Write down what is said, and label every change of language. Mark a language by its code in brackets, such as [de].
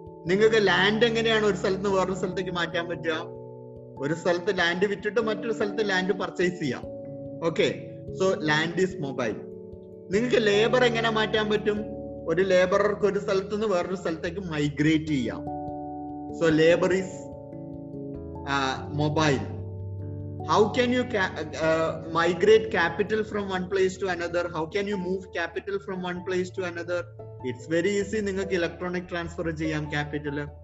[ml] നിങ്ങൾക്ക് ലാൻഡ് എങ്ങനെയാണ് ഒരു സ്ഥലത്ത് നിന്ന് വേറൊരു സ്ഥലത്തേക്ക് മാറ്റാൻ പറ്റുക? ഒരു സ്ഥലത്ത് ലാൻഡ് വിറ്റിട്ട് മറ്റൊരു സ്ഥലത്ത് ലാൻഡ് പർച്ചേസ് ചെയ്യാം. [en] Okay, so land is mobile. [ml] നിങ്ങൾക്ക് ലേബർ എങ്ങനെ മാറ്റാൻ പറ്റും? ഒരു ലേബറർക്ക് ഒരു സ്ഥലത്ത് നിന്ന് വേറൊരു സ്ഥലത്തേക്ക് മൈഗ്രേറ്റ് ചെയ്യാം. [en] So labour is mobile. How can you migrate capital from one place to another? How can you move capital from one place to another? It's very easy. [ml] നിങ്ങൾക്ക് electronic transfer ചെയ്യാം capital.